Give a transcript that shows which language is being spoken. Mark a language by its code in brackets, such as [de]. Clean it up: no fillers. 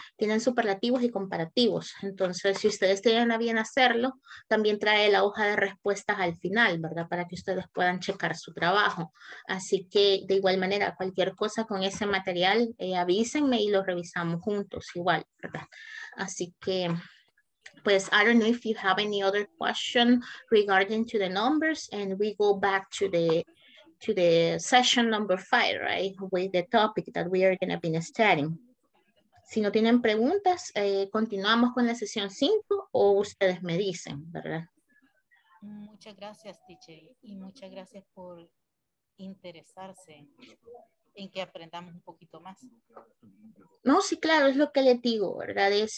[es] Tienen superlativos y comparativos. Entonces, si ustedes tienen a bien hacerlo, también trae la hoja de respuestas al final, ¿verdad? Para que ustedes puedan checar su trabajo. Así que, de igual manera, cualquier cosa con ese material, avísenme y lo revisamos juntos igual, ¿verdad? Así que, pues, [en] I don't know if you have any other question regarding to the numbers, and we go back to the session number 5, right, with the topic that we are going to be studying. [es] Si no tienen preguntas, continuamos con la sesión 5 o ustedes me dicen, ¿verdad? Muchas gracias, teacher, y muchas gracias por interesarse en que aprendamos un poquito más. No, sí, claro, es lo que les digo, ¿verdad?